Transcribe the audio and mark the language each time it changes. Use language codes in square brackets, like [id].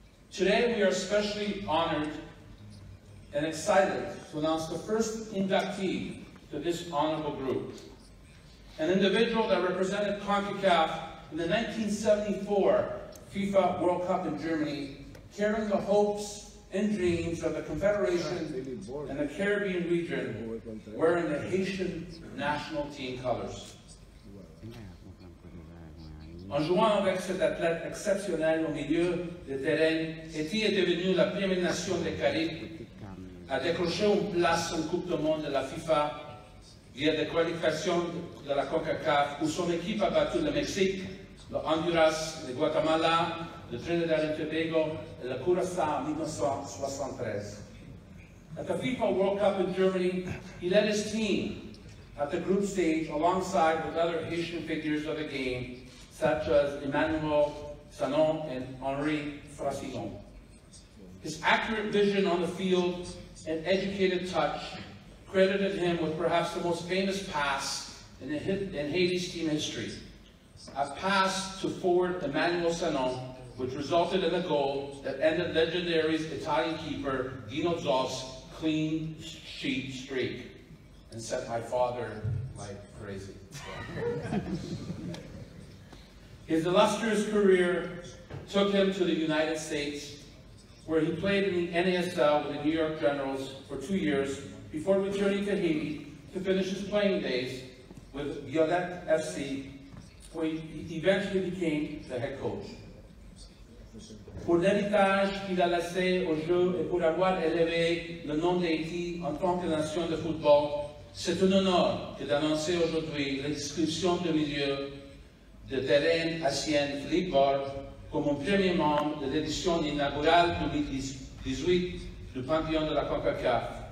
[en] Today, we are especially honored and excited to announce the first inductee to this honorable group, an individual that represented CONCACAF in the 1974 FIFA World Cup in Germany, carrying the hopes and dreams of the Confederation and the Caribbean region, wearing the Haitian national team colors. [fr] En jouant avec cet athlète exceptionnel au milieu de terrain, Eti est devenu la première nation des Caraïbes à décrocher une place en Coupe du Monde de la FIFA via des qualifications de la CONCACAF où son équipe a battu le Mexique, le Honduras, le Guatemala, le Trinidad et Tobago et le Curaçao en 1973. [en] At the FIFA World Cup in Germany, he led his team at the group stage alongside with other Haitian figures of the game, such as Emmanuel Sanon and Henri Frassinon. His accurate vision on the field and educated touch credited him with perhaps the most famous pass in Haiti's team history, a pass to forward Emmanuel Sanon, which resulted in the goal that ended legendary Italian keeper Dino Zoff's clean sheet streak and set my father like crazy. His illustrious career took him to the United States, where he played in the NASL with the New York Generals for 2 years before returning to Haiti to finish his playing days with Violette FC, where he eventually became the head coach. [fr] Pour l'héritage qu'il a laissé au jeu et pour avoir élevé le nom d'Haïti en tant que nation de football, c'est un honneur que d'annoncer aujourd'hui l'inscription de milieu de terrain Asien Philippe Bord comme un premier membre de l'édition inaugurale 2018 du Panthéon de la CONCACAF.